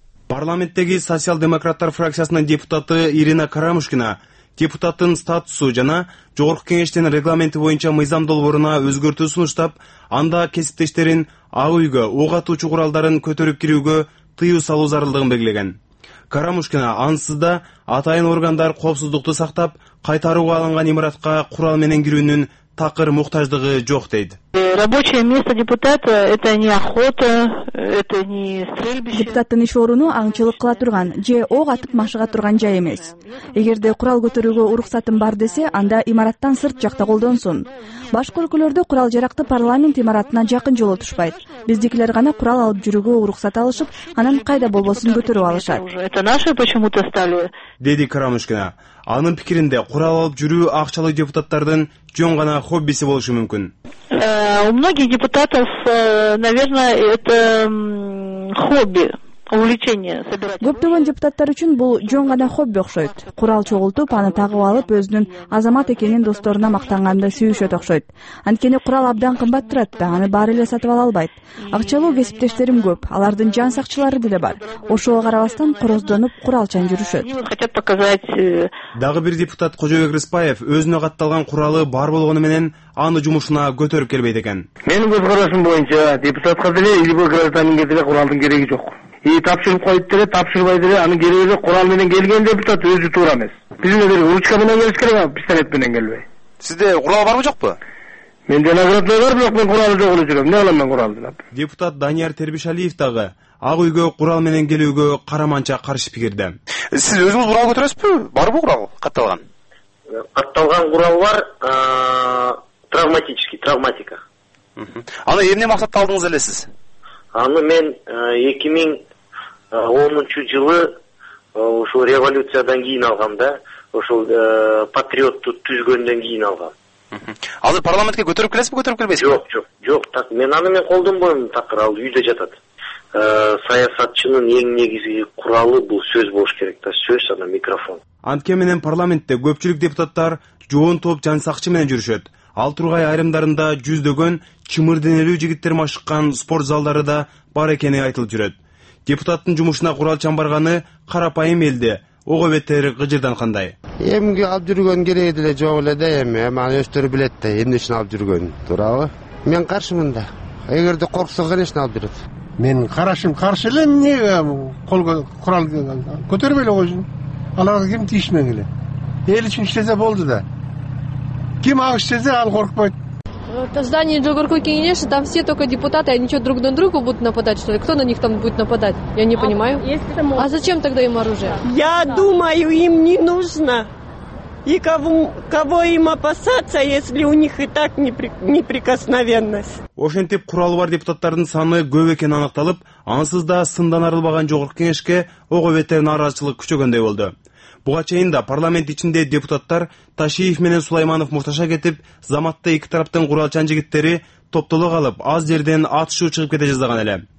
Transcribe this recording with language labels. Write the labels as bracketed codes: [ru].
[ky] Парламенттеги социал-демократтар фракциясынын депутаты Ирина Карамушкина депутаттын статусу жана Жогорку Кеңештин регламенти боюнча мыйзам долбооруна өзгөртүү сунуштап, анда кесиптештерин Ак үйгө ок атуучу куралдарын көтөрүп кирүүгө тыюу салуу зарылдыгын белгилеген. Карамушкина ансыз да атайын органдар коопсуздукту сактап, кайтарууга алынган имаратка курал менен кирүүнүн такыр муктаждыгы жок дейт. [ru] Рабочее место депутата это не охота, это не стрельбище. [ky] Депутаттын иш оруну аңчылык кыла турган же ок атып машыга турган жай эмес. Эгерде курал көтөрүүгө уруксатым бар десе, анда имараттан сырт жакта колдонсун. Башка өлкөлөрдө курал жаракты парламент имаратына жакын жолотушпайт. Биздикилер гана курал алып жүрүүгө уруксат алышып, анан кайда болбосун көтөрүп алышат. [ru] Это наши почему-то стали. [ky] Деди Карамушкина. Анын пикиринде курал алып жүрүү акчалуу депутаттардын жөн гана хоббиси болушу мүмкүн. [ru] У многих депутатов, наверное, это хобби. [ky] Көптөгөн депутаттар үчүн бул жөн гана хобби окшойт. Курал чогултуп, аны тагып алып, өзүнүн азамат экенин досторуна мактанганда сүйүшөт окшойт. Анткени курал абдан кымбат турат да, аны баары эле сатып ала албайт. Акчалуу кесиптештерим көп, алардын жан сакчылары деле бар. Ошого карабастан короздонуп, куралчан жүрүшөт. Дагы бир депутат Кожобек Рыспаев өзүнө катталган куралы бар болгону менен аны жумушуна көтөрүп келбейт экен. Менин көз карашым боюнча депутатка деле, [ru] любой [ky] гражданинге деле куралдын кереги жок. Тапшырып коюп деле, тапшырбай деле, анын кереги эле курал менен келген депутат өзү туура эмес. Бизге деле ручка менен келиш керек, пистолет менен келбей. Сизде курал барбы жокпу? Менде наградный бар, бирок мен куралы жок эле жүрөм. Эмне кылам мен куралды? Депутат Данияр Тербишалиев дагы Ак үйгө курал менен келүүгө караманча каршы пикирде. Сиз өзүңүз курал көтөрөсүзбү? Барбы курал катталган? Катталган курал бар, [ru] травматический, травматика. [ky] Аны эмне максатта алдыңыз эле сиз? Аны мен 2010 жылы ошол революциядан кийин алгам да, ошол патриотту түзгөндөн кийин алгам. Азыр парламентке көтөрүп келесизби, көтөрүп келбейсизби? Жок, жок, жок. Так, мен аны мен колдонбойм, такыр ал үйдө жатат. Саясатчынын эң негизги куралы бул сөз болуш керек да, сөз жана микрофон. Анткени менен парламентте көпчүлүк депутаттар жоон топ жан сакчы менен жүрүшөт. Ал тургай айрымдарында жүздөгөн чымыр денелүү жигиттер машыккан спорт залдары да бар экени айтылып жүрөт. Депутаттын жумушуна куралчан барганы карапайым элде ого бетер кыжырдан кандай. Эмге алып жүргөн кереги деле жок эле да, эми аны өздөрү билет да эмне үчүн алып жүргөн, туурабы? Мен каршымын да, эгерде корксо [ru] конечно [ky] алып жүрөт. Мен карашым каршы эле, эмне колго курал көтөрбөй эле койсун, аларга ким тийишмек эле, эл үчүн иштесе болду да. Ким ак иштесе ал коркпойт. [ru] Это здание городской кеңеши, там все только депутаты, они что, друг на друга будут нападать, что ли? Кто на них там будет нападать? Я не понимаю. Если это можно. А зачем тогда им оружие? Я думаю, им не нужно. И кого им опасаться, если у них и так неприкосновенность? [ky] Ошентип куралы бар депутаттардын саны көп экени аныкталып, ансыз да сындан арылбаган жогорку кеңешке оговеттер нааразычылык күчөгөндөй болду. Буга чейин да парламент ичинде депутаттар Ташиев менен Сулайманов мушташа кетип, заматта эки тараптын куралчан жигиттери топтолуп алып, аз жерден атышуу чыгып кете жаздаган эле.